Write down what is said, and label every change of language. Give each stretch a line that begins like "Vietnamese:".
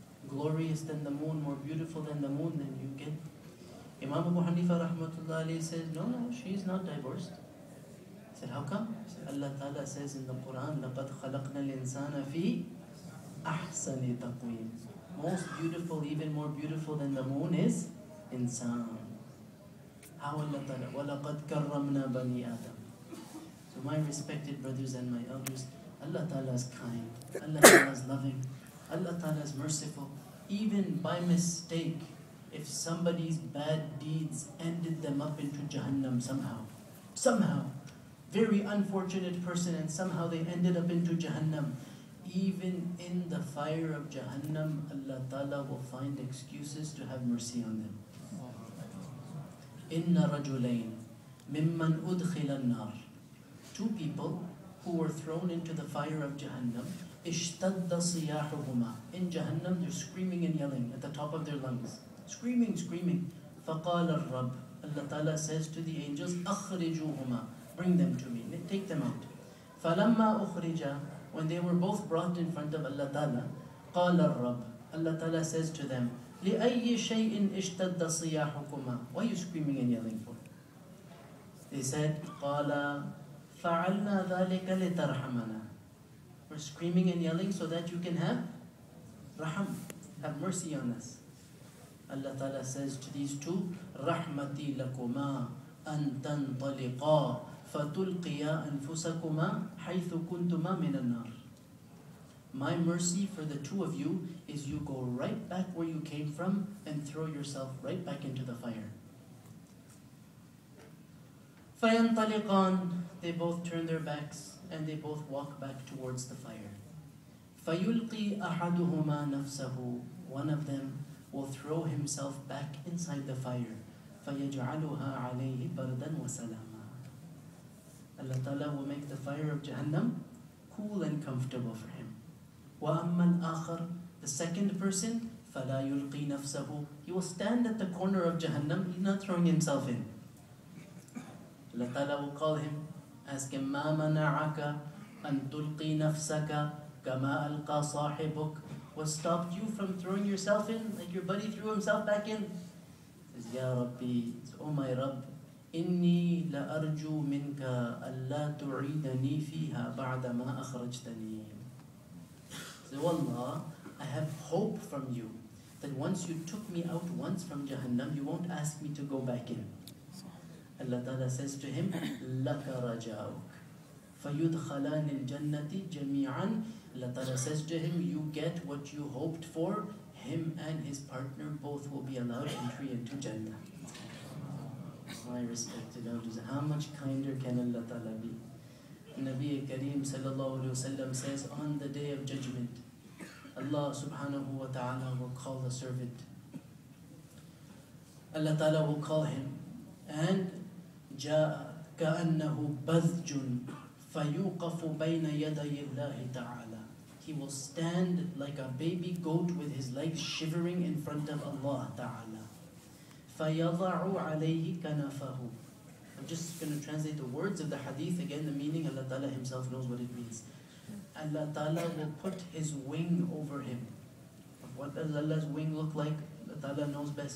English: glorious than the moon, more beautiful than the moon, then you get... Imam Abu Hanifa rahmatullah alayhi says, no, she's not divorced. I said, how come? He said, Allah Ta'ala says in the Quran,
Arabic: لَقَدْ خَلَقْنَا الْإِنسَانَ فِي أَحْسَنِ تَقْوِيمٍ.
English: Most beautiful, even more beautiful than the moon is insan. How Allah Ta'ala,
Arabic: وَلَقَدْ كَرَّمْنَا بَنِي آدَمٍ.
English: So my respected brothers and my elders, Allah Ta'ala is kind, Allah Ta'ala is loving, Allah Ta'ala is merciful. Even by mistake, if somebody's bad deeds ended them up into Jahannam somehow, very unfortunate person and somehow they ended up into Jahannam, even in the fire of Jahannam, Allah Ta'ala will find excuses to have mercy on them.
Arabic: Inna rajulain mimman udkhila an-nar.
English: Two people who were thrown into the fire of Jahannam,
Arabic: ishtadda siyahuhuma.
English: In Jahannam, they're screaming and yelling at the top of their lungs. Screaming.
Arabic: فَقَالَ الرَّبِّ.
English: Allah Ta'ala says to the angels,
Arabic: أَخْرِجُوهُمَا.
English: Bring them to me. Take them out.
Arabic: فَلَمَّا أُخْرِجَا.
English: When they were both brought in front of Allah Ta'ala,
Arabic: قَالَ الرَّبِّ.
English: Allah Ta'ala says to them,
Arabic: لِأَيِّ شَيْءٍ اشْتَدَّ صِيَاحُكُمَا.
English: What are you screaming and yelling for? They said,
Arabic: قَالَ فَعَلْنَا ذَلِكَ لِتَرْحَمَنَا.
English: We're screaming and yelling so that you can have raham, have mercy on us. Allah Ta'ala says to these two,
Arabic: رَحْمَتِي لَكُمَا أَن تَنْطَلِقَا فَتُلْقِيَا أَنفُسَكُمَا حَيْثُ كُنْتُمَا مِنَ النَّارِ.
English: My mercy for the two of you is you go right back where you came from and throw yourself right back into the fire.
Arabic: فَيَنْطَلِقَان.
English: They both turn their backs and they both walk back towards the fire.
Arabic: فَيُلْقِي أَحَدُهُمَا نَفْسَهُ.
English: One of them will throw himself back inside the fire.
Arabic: فَيَجْعَلُهَا عَلَيْهِ بَرْدًا وَسَلَامًا.
English: Allah Ta'ala will make the fire of Jahannam cool and comfortable for him.
Arabic: وَأَمَّا الْآخَرُ.
English: The second person,
Arabic: فَلَا يُلْقِي نَفْسَهُ.
English: He will stand at the corner of Jahannam, he's not throwing himself in. Allah Ta'ala will call him, ask him,
Arabic: مَا مَنَعَكَ أَن تُلْقِي نَفْسَكَ كَمَا أَلْقَى صَاحِبُكَ.
English: What stopped you from throwing yourself in, like your buddy threw himself back in? Says, Ya Rabbi, oh my Rabb,
Arabic: إِنِّي لَأَرْجُو مِنْكَ أَلَّا تُعِيدَنِي فِيهَا بَعْدَ مَا أَخْرَجْتَنِي.
English: So Allah, I have hope from you that once you took me out once from Jahannam, you won't ask me to go back in. Allah Ta'ala says to him,
Arabic: لَكَ رَجَاوكَ فَيُدْخَلَانِ الْجَنَّةِ جَمِيعًا.
English: Allah Ta'ala says to him, you get what you hoped for, him and his partner both will be allowed entry into Jannah. My respected elders, how much kinder can Allah Ta'ala be? Nabi Kareem sallallahu alayhi wasallam says, on the day of judgment, Allah subhanahu wa ta'ala will call the servant. Allah Ta'ala will call him, and
Arabic: جَاءَ كَأَنَّهُ بَذْجٌ فَيُوقَفُ بَيْنَ يَدَيِ اللَّهِ تَعَالَى.
English: He will stand like a baby goat with his legs shivering in front of Allah Ta'ala.
Arabic: فَيَضَعُ عَلَيْهِ كَنَفَهُ.
English: I'm just going to translate the words of the hadith. Again, the meaning, Allah Ta'ala himself knows what it means. Allah Ta'ala will put his wing over him. What does Allah's wing look like? Allah Ta'ala knows best.